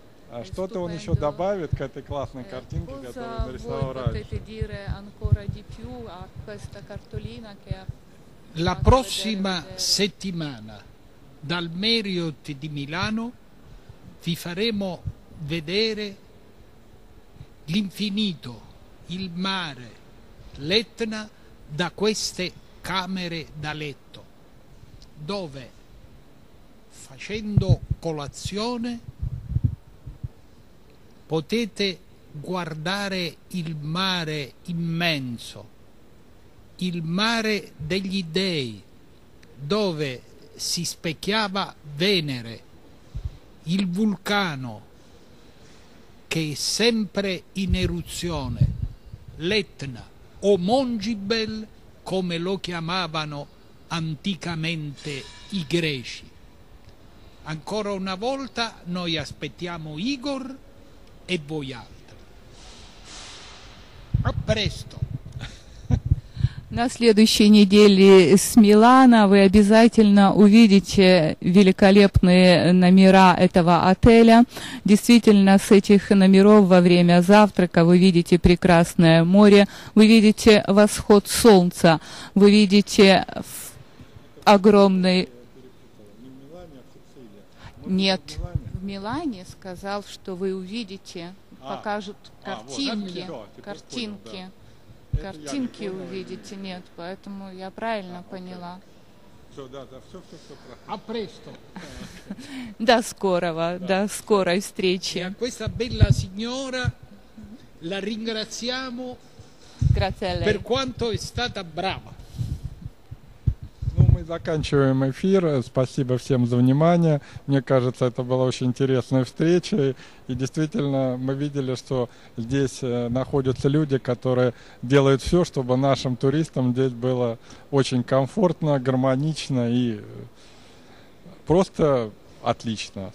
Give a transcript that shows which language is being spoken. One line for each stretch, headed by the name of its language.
Russian: А что-то он еще добавит к этой классной картинке, которую нарисовал раньше.
Italian: La prossima settimana dal Marriott di Milano vi faremo vedere l'infinito, il mare, l'Etna da queste camere da letto, dove facendo colazione potete guardare il mare immenso, il mare degli dei, dove si specchiava Venere, il vulcano che è sempre in eruzione, l'Etna o Mongibel, come lo chiamavano anticamente i greci. Ancora una volta noi aspettiamo Igor e voi altri. A presto.
Russian: На следующей неделе с Милана вы обязательно увидите великолепные номера этого отеля. Действительно, с этих номеров во время завтрака вы видите прекрасное море, вы видите восход солнца, вы видите огромный... Нет, в Милане сказал, что вы увидите, покажут картинки, картинки. Картинки увидите, нет, поэтому я правильно поняла. Все, да, все. А престо. До скорого, да. До скорой встречи.
Italian: Questa bella signora la ringraziamo. Grazie a lei. Per quanto è stata brava.
Russian: Ну, мы заканчиваем эфир. Спасибо всем за внимание. Мне кажется, это была очень интересная встреча. И действительно, мы видели, что здесь находятся люди, которые делают все, чтобы нашим туристам здесь было очень комфортно, гармонично и просто отлично.